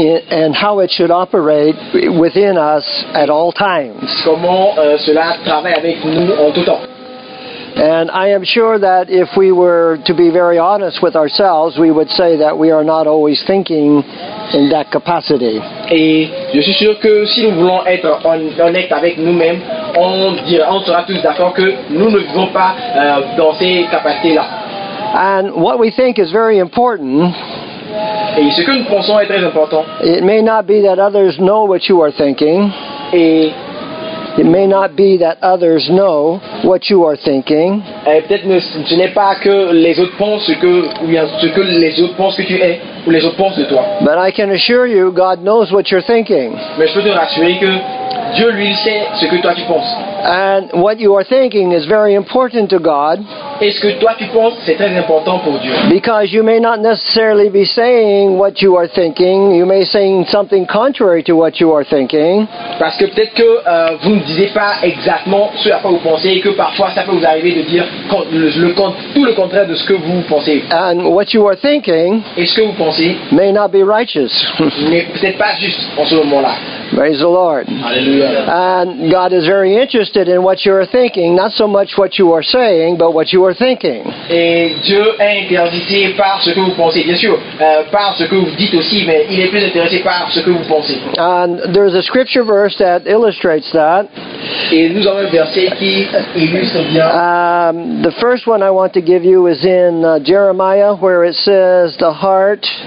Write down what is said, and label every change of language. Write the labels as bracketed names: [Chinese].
[English] and how it should operate within us at all times. [French] Comment cela travaille avec nous en tout temps. [English] And I am sure that if we were to be very honest with ourselves, we would say that we are not always thinking in that capacity. [French] Et je suis sûr que si nous voulons être honnêtes avec nous-mêmes, on sera tous d'accord que nous ne vivons pas dans ces capacités-là. [English] And what we think is very important. [French] Et ce que nous pensons est très important. [English] It may not be that others know what you are thinking. [French] Et [English] it may not be that others know what you are thinking. [French] Peut-être que ce n'est pas que les autres pensent ce que les autres pensent que tu es ou les autres pensent de toi. [English] But I can assure you, God knows what you're thinking. [French] Mais je peux te rassurer que Dieu lui sait ce que toi tu penses. [English] And what you are thinking is very important to God. [French] Et ce que toi tu penses, c'est très important pour Dieu. [English] Because you may not necessarily be saying what you are thinking. You may be saying something contrary to what you are thinking. [French] Parce que peut-être que vous ne disiez pas exactement ce à quoi vous pensez et que parfois ça peut vous arriver de dire tout le contraire de ce que vous pensez. [English] And what you are thinking, [French] et ce que vous pensez, [English] may not be righteous. [French] N'est peut-être pas juste en ce moment-là. [English] Praise the Lord. Hallelujah. And God is very interested in what you are thinking, not so much what you are saying, but what you are thinking. [French] Et Dieu est intéressé par ce que vous pensez, bien sûr, par ce que vous dites aussi, mais il est plus intéressé par ce que vous pensez. [English] And there is a scripture verse that illustrates that. [French] Et nous avons un verset qui illustre bien. [English] The first one I want to give you is in Jeremiah, where it says the heart.